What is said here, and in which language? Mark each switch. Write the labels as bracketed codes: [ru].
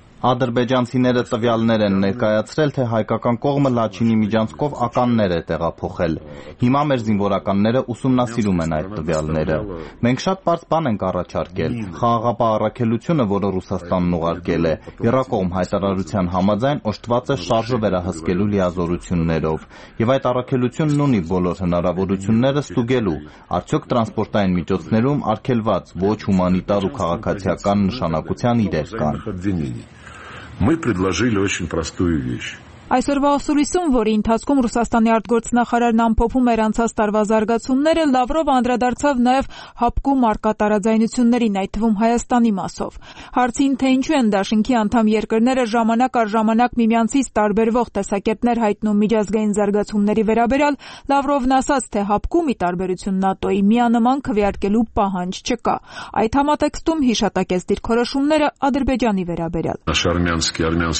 [hy] Ադրբեջանցիները տվյալներ են ներկայացրել, թե հայկական կողմը Լաչինի միջանցքով ականներ է տեղափոխել։ Հիմա մեր զինվորականները ուսումնասիրում են այդ տվյալները։ Մենք շատ պարզ բան ենք առաջարկել՝ խաղաղապահ առաքելությունը, որը Ռուսաստանն ուղարկել է։ Եռակողմ հայտարարության համաձայն օժտված է շարժը վերահսկելու լիազորություններով, և այդ առաքելությունն ունի բոլոր հնարավորությունները ստուգելու, արդյոք տրանսպորտային միջոցներում արգելված ոչ հումանիտար ու քաղաքացիական նշանակության իրեր կան։ [ru] Мы предложили очень простую вещь. [hy] Այսօրվա ուսուցիչում, որի ընթացքում Ռուսաստանի արտգործնախարարն ամփոփում էր անցած տարվա զարգացումները, Լավրովը անդրադարձավ նաև հապկու մարկատարաձայնություններին, այդ թվում Հայաստանի մասով։ Հարցին, թե ինչու են Դաշնքի անդամ երկրները ժամանակ առ ժամանակ միմյանցից տարբերվող տեսակետներ հայտնում միջազգային զարգացումների վերաբերյալ, Լավրովն ասաց, թե հապկու մի տարբերություն ՆԱՏՕ-ի միանման քվեարկելու պահանջ չկա։ Այդ համատեքստում հիշատակեց դիրքորոշումները Ադրբեջանի վերաբերյալ։